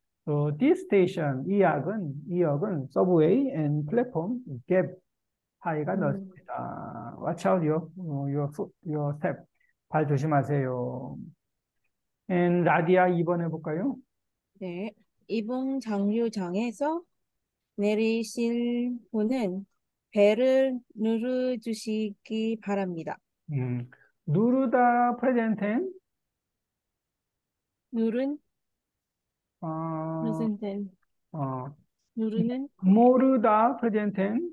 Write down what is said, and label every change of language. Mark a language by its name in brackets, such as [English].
[English] So this station [Korean] 이 역은 [English] subway and platform gap [Korean] 사이가 넓습니다. [English] Watch out your step. [Korean] 발 조심하세요. [English] And [Korean] 라디아 2번 해볼까요? 네, 이번 정류장에서 내리실 분은 배를 눌러주시기 바랍니다. 누르다 [English] present tense. [Korean] 무슨 뜻? 누르는? 모르다 [English] present tense.